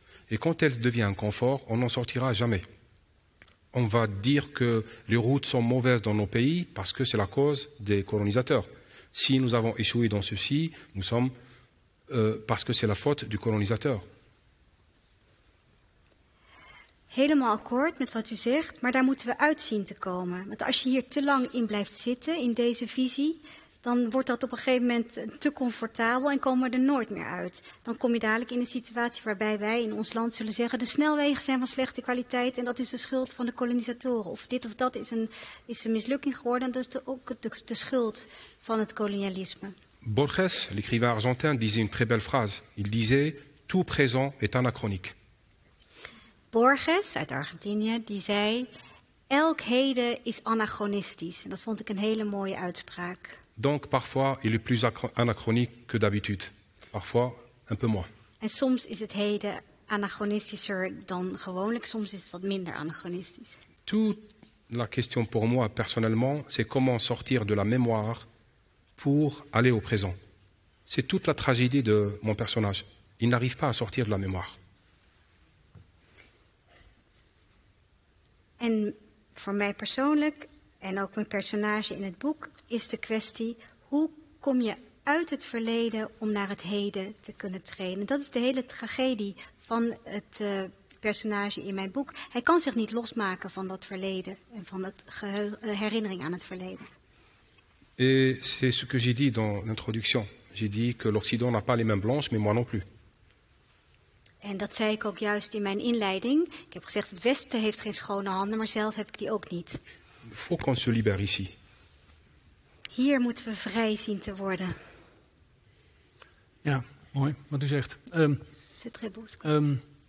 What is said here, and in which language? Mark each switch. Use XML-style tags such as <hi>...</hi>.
<fr>Et quand elle devient un confort, on n'en sortira jamais. On va dire que les routes sont mauvaises dans nos pays parce que c'est la cause des colonisateurs. Si nous avons échoué dans ceci, nous sommes parce que c'est la faute du colonisateur.</fr> <nl>Helemaal akkoord met wat u zegt, maar daar moeten we uitzien te komen. Want als je hier te lang in blijft zitten, in deze visie, dan wordt dat op een gegeven moment te comfortabel en komen we er nooit meer uit. Dan kom je dadelijk in een situatie waarbij wij in ons land zullen zeggen, de snelwegen zijn van slechte kwaliteit en dat is de schuld van de kolonisatoren. Of dit of dat is een mislukking geworden, dat is ook de schuld van het kolonialisme.</nl> <fr>Borges, l'écrivain argentin, disait une très belle phrase. Il disait, tout présent est anachronique.</fr> <nl>Borges uit Argentinië, die zei, elk heden is anachronistisch. En dat vond ik een hele mooie uitspraak.</nl> <fr>Donc parfois il est plus anachronique que d'habitude, parfois un peu moins.</fr> <nl>En soms is het heden anachronistischer dan gewoonlijk, soms is het wat minder anachronistisch.</nl> <fr>Toute la question pour moi personnellement, c'est comment sortir de la mémoire pour aller au présent. C'est toute la tragédie de mon personnage. Il n'arrive pas à sortir de la mémoire.</fr> <nl>En voor mij persoonlijk en ook mijn personage in het boek is de kwestie, hoe kom je uit het verleden om naar het heden te kunnen trainen? Dat is de hele tragedie van het personage in mijn boek. Hij kan zich niet losmaken van dat verleden en van het herinnering aan het verleden.</nl> <fr>Et c'est ce que j'ai dit dans l'introduction. J'ai dit que l'Occident n'a pas les mêmes blanches, mais moi non plus.</fr> <nl>En dat zei ik ook juist in mijn inleiding. Ik heb gezegd, het Westen heeft geen schone handen, maar zelf heb ik die ook niet.</nl> <fr>Faut qu'on se libère ici.</fr> <nl>Hier moeten we vrij zien te worden. Ja, mooi wat u zegt.</nl> <fr>C'est très beau.</fr>